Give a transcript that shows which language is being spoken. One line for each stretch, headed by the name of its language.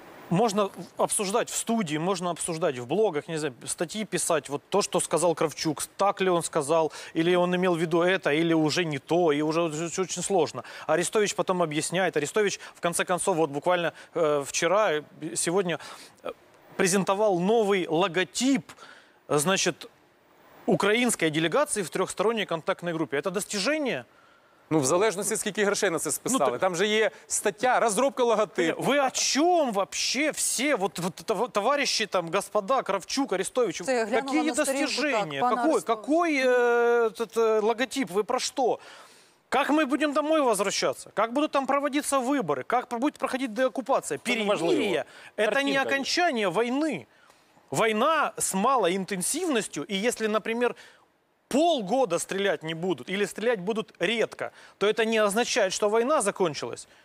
Russian: Можно обсуждать в студии, можно обсуждать в блогах, не знаю, статьи писать, вот то, что сказал Кравчук, так ли он сказал, или он имел в виду это, или уже не то, и уже очень сложно. Арестович потом объясняет. Арестович, в конце концов, вот буквально вчера, сегодня презентовал новый логотип, значит, украинской делегации в трехсторонней контактной группе. Это достижение?
Ukrainian: Ну, в залежності, скільки грошей на це списали. Ну, так... Там же є стаття, розробка логотипу. Ви о чому взагалі всі, от, товариші, там, господа, Кравчук, Арестович, які є достижения?
Russian: Какой логотип?
Ukrainian: Ви про що?
Russian: Как мы будем домой возвращаться? Как будут там проводиться выборы? Как будет проходить деоккупация? Перемирие – это не окончание войны. Война с малой интенсивностью, и если, например, полгода стрелять не будут, или стрелять будут редко, то это не означает, что война закончилась.